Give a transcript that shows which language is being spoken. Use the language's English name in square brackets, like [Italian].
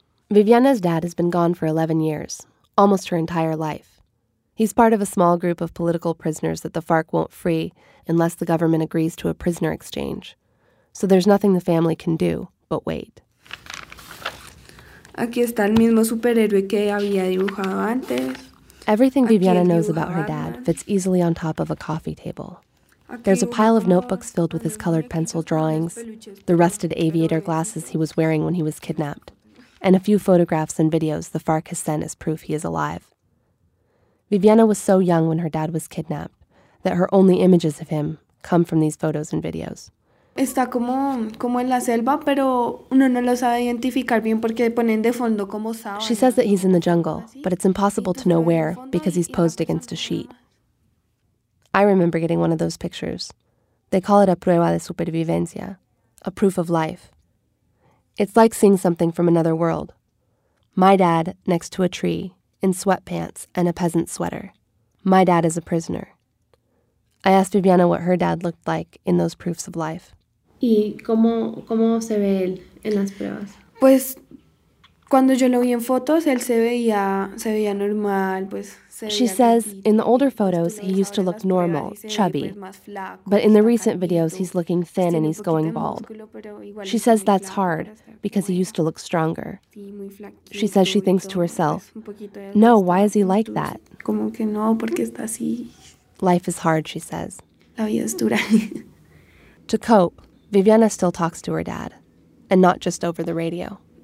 [English] Viviana's dad has been gone for 11 years, almost her entire life. He's part of a small group of political prisoners that the FARC won't free unless the government agrees to a prisoner exchange. So there's nothing the family can do but wait. [Spanish] Aquí está el mismo superhéroe que había dibujado antes. [English] Everything Viviana knows about her dad fits easily on top of a coffee table. There's a pile of notebooks filled with his colored pencil drawings, the rusted aviator glasses he was wearing when he was kidnapped, and a few photographs and videos the FARC has sent as proof he is alive. Viviana was so young when her dad was kidnapped that her only images of him come from these photos and videos. [Spanish] Está como en la selva, pero uno no lo sabe identificar bien porque ponen de fondo como sábana. [English] She says that he's in the jungle, but it's impossible to know where because he's posed against a sheet. I remember getting one of those pictures. They call it a [Spanish] prueba de supervivencia, [English] a proof of life. It's like seeing something from another world. My dad next to a tree, in sweatpants and a peasant sweater. My dad is a prisoner. I asked Viviana what her dad looked like in those proofs of life. [Spanish] ¿Y cómo se ve él en las pruebas? Pues, cuando yo lo vi en fotos, él se veía normal, pues... [English] She says, in the older photos, he used to look normal, chubby. But in the recent videos, he's looking thin and he's going bald. She says that's hard, because he used to look stronger. She says she thinks to herself, no, why is he like that? [Spanish] Como que no, porque está así. [English] Life is hard, she says. [Spanish] La vida es dura. [English] To cope, Viviana still talks to her dad, and not just over the radio.